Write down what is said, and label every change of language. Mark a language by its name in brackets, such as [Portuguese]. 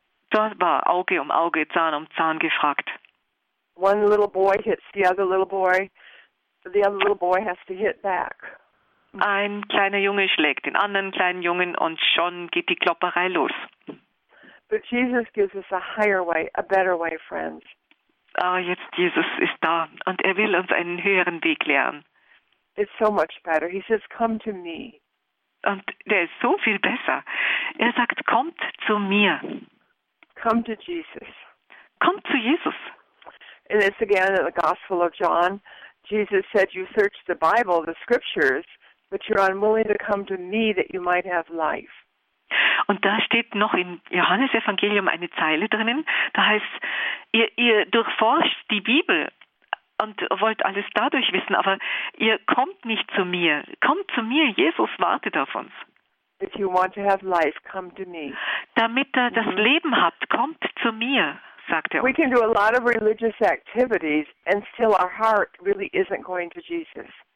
[German] Da war Auge um Auge, Zahn um Zahn gefragt. [English] One little boy hits the other little boy. The other little boy has to hit back. [German] Ein kleiner Junge schlägt den anderen kleinen Jungen und schon geht die Klopperei los. [English] But Jesus gives us a higher way, a better way, friends. [German] Ah, jetzt Jesus ist da und er will uns einen höheren Weg lehren. [English] It's so much better. He says, come to me. [German] Und der ist so viel besser. Er sagt, kommt zu mir. [English] Come to Jesus. [German] Kommt zu Jesus. [English] And it's again in the Gospel of John. Jesus said, you search the Bible, the scriptures, but you're unwilling to come to me that you might have life. [German] Und da steht noch im Johannesevangelium eine Zeile drinnen, da heißt, ihr durchforscht die Bibel, und wollt alles dadurch wissen, aber ihr kommt nicht zu mir. Kommt zu mir, Jesus wartet auf uns. [English] If you want to have life, come to me. [German] Damit ihr das Leben habt, kommt zu mir, sagt er. [English] We can do a lot of religious activities and still our heart really isn't going to Jesus.